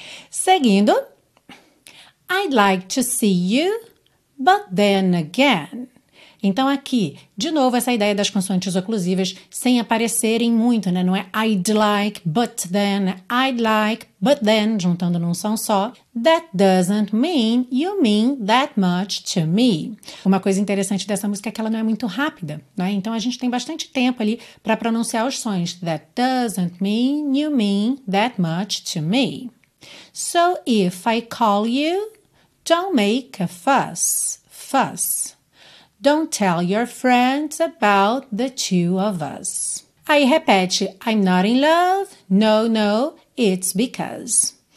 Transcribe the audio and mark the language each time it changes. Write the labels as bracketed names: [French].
[English] Seguindo. I'd like to see you, but then again. [Portuguese] Então, aqui, de novo, essa ideia das consoantes oclusivas sem aparecerem muito, né? Não é I'd like, but then, I'd like, but then, juntando num som só. [English] That doesn't mean you mean that much to me. [Portuguese] Uma coisa interessante dessa música é que ela não é muito rápida, né? Então, a gente tem bastante tempo ali para pronunciar os sons. [English] That doesn't mean you mean that much to me. So, if I call you, don't make a fuss. Don't tell your friends about the two of us. Aí repete, I'm not in love, no, it's because.